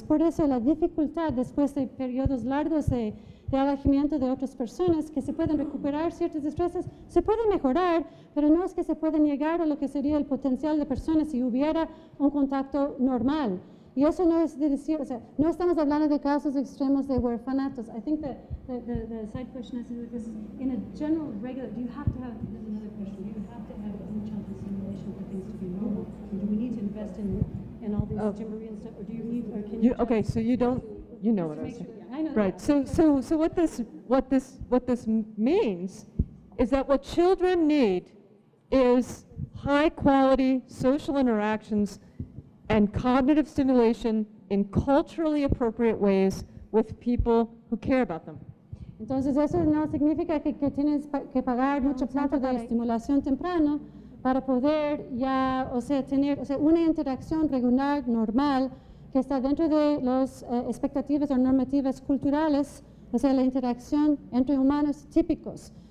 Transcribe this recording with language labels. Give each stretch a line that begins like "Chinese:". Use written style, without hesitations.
Spanish: Es por eso la dificultad después de periodos largos de alejamiento de otras personas que se pueden recuperar ciertas destrezas, se pueden mejorar, pero no es que se pueda llegar a lo que sería el potencial de personas si hubiera un contacto normal. Y eso no es de decir, o sea, no estamos hablando de casos extremos de huérfanatos.
English: I think the side question is because in a general regular, do you have to have, this is another question, do you have to have any child simulation for things to be normal? Do we need to invest in all this jimmery and stuff, or do you need, or can you? Okay, so you don't, you know what I'm saying. Sure, yeah, I know. Right. So, what this means is that what children need is high quality social interactions and cognitive stimulation in culturally appropriate ways with people who care about them.
Spanish: Entonces eso no significa que tienes que pagar mucho plata de estimulación temprano para poder ya, o sea, tener, o sea, una interacción regular, normal, que está dentro de los expectativas o normativas culturales, o sea, la interacción entre humanos típicos.